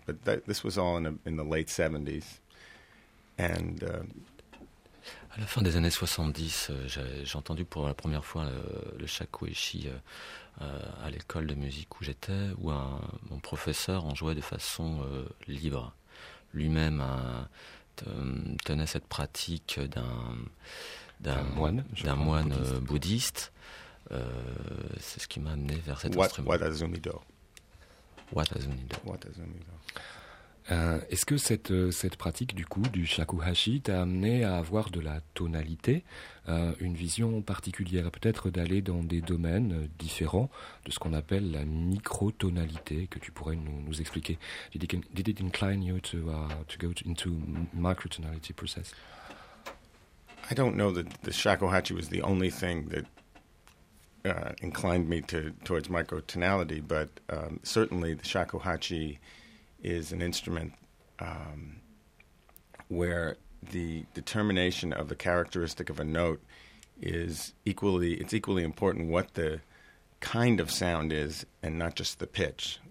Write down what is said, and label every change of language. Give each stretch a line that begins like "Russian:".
English: But this was all in the late 70s. And
French: à la fin des années 70, j'ai entendu pour la première fois le shakuhachi à l'école de musique où j'étais, où mon professeur en jouait de façon libre. Lui-même tenait cette pratique d'un moine bouddhiste. C'est ce qui m'a amené vers cet instrument. Watazumido. Est-ce que cette pratique du coup du shakuhachi t'a amené à avoir de la tonalité, une vision particulière, peut-être d'aller dans des domaines différents de ce qu'on appelle la microtonalité, que tu pourrais nous expliquer?
English: Did it incline you to go into microtonality process? I don't know that the shakuhachi was the only thing that inclined me towards microtonality, but certainly the shakuhachi is an instrument where the determination of the characteristic of a note is equally important what the kind of sound is and not just the pitch.